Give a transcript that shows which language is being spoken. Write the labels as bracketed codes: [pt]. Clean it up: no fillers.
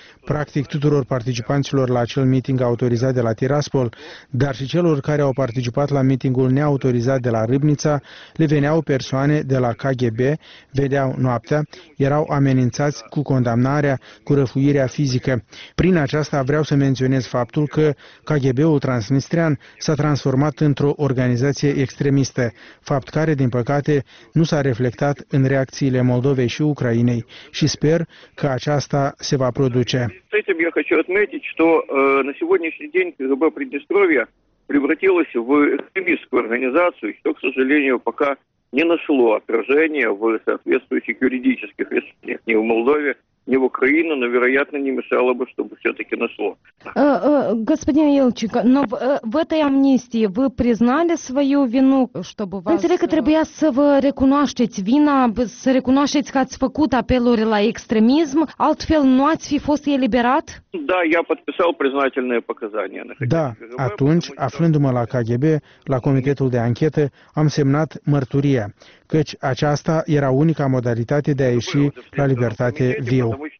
[ro] Practic tuturor participanților la acel meeting autorizat de la Tiraspol, dar și celor care au participat la meetingul neautorizat de la Râbnița, le veneau persoane de la KGB, vedeau noaptea, erau amenințați cu condamnarea, cu răfuirea fizică. Prin aceasta vreau să menționez faptul că KGB-ul transnistrian s-a transformat într-o organizație extremistă, fapt care, din păcate, nu s-a reflectat în reacțiile Moldovei și Ucrainei și sper că aceasta se va produce. [ru] Я хочу отметить, что на сегодняшний день КГБ Приднестровья превратилось в экстремистскую организацию, что, к сожалению, пока не нашло отражения в соответствующих юридических решениях ни в Молдове, ни в Украине, но, вероятно, не мешало бы, чтобы все-таки нашло. Господин Ильченко, но в этой амнистии вы признали свою вину, чтобы вас... [ro] Înțeleg că trebuia să vă recunoașteți vina, să recunoașteți că ați făcut apeluri la extremism, altfel nu ați fi fost eliberat? [ru] Da, я подписал признательные показания. [ro] Да, atunci, aflându-mă la KGB, la Comitetul de Anchetă, am semnat mărturia, căci aceasta era unica modalitate de a ieși la libertate viu.